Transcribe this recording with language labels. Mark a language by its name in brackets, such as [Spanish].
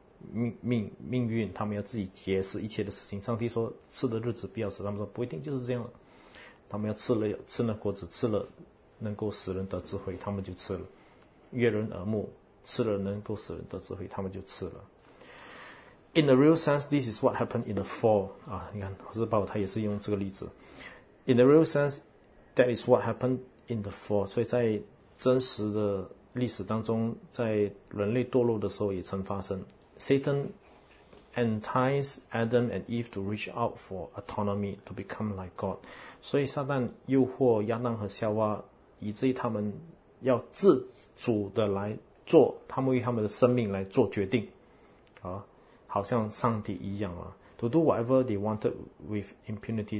[Chinese] 命运，他们要自己解释一切的事情。上帝说吃的日子必要死，他们说不一定就是这样了。他们要吃了果子，吃了能够使人得智慧，他们就吃了。悦人耳目，吃了能够使人得智慧，他们就吃了。 [English] In the real sense, this is what happened in the fall. [Chinese] 啊，你看，日报他也是用这个例子。 [English] In the real sense, that is what happened in the fall. [Chinese] 所以在真实的历史当中，在人类堕落的时候也曾发生。 [English] Satan enticed Adam and Eve to reach out for autonomy to become like God. [Chinese] 所以撒旦诱惑亚当和夏娃，以至于他们要自主的来做，他们为他们的生命来做决定，啊，好像上帝一样啊 ， [English] to do whatever they wanted with impunity.